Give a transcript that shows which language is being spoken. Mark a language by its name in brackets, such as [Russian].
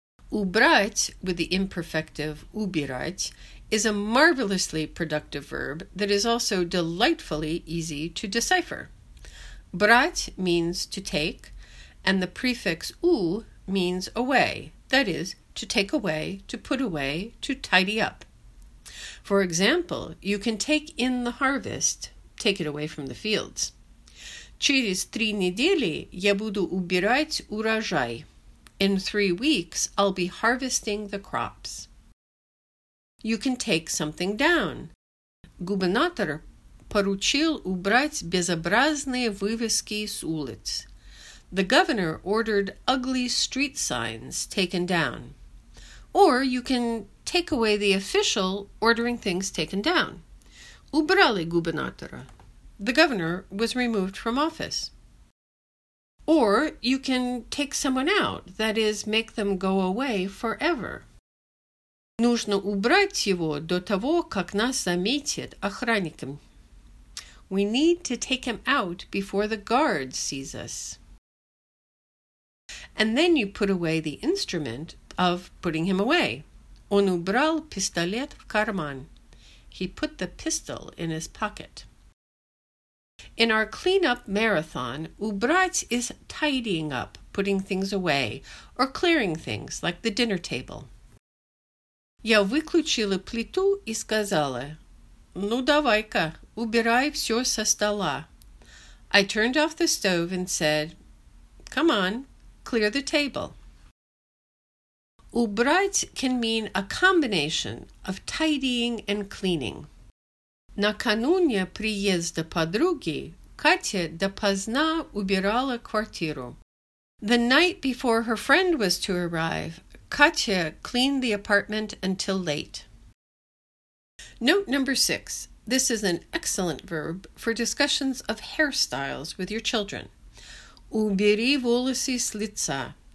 [English] Убрать with the imperfective убирать is a marvelously productive verb that is also delightfully easy to decipher. Брать means to take, and the prefix у means away, that is, to take away, to put away, to tidy up. For example, you can take in the harvest, take it away from the fields. [Russian] Через три недели я буду убирать урожай. [English] In 3 weeks, I'll be harvesting the crops. You can take something down. [Russian] Губернатор поручил убрать безобразные вывески с улиц. [English] The governor ordered ugly street signs taken down. Or you can take away the official ordering things taken down. [Russian] Убрали губернатора. [English] The governor was removed from office. Or you can take someone out, that is, make them go away forever. [Russian] Нужно убрать его до того, как нас заметят охранником. [English] We need to take him out before the guard sees us. And then you put away the instrument of putting him away. [Russian] Он убрал пистолет в карман. [English] He put the pistol in his pocket. In our cleanup marathon, убрать is tidying up, putting things away, or clearing things, like the dinner table. [Russian] Я выключила плиту и сказала, «Ну давай-ка, убирай все со стола». [English] I turned off the stove and said, «Come on, clear the table». Убрать can mean a combination of tidying and cleaning. [Russian] Накануне приезда подруги Катя допоздна убирала квартиру. [English] The night before her friend was to arrive, Катя cleaned the apartment until late. Note number 6. This is an excellent verb for discussions of hairstyles with your children. [Russian] Убери волосы с лица.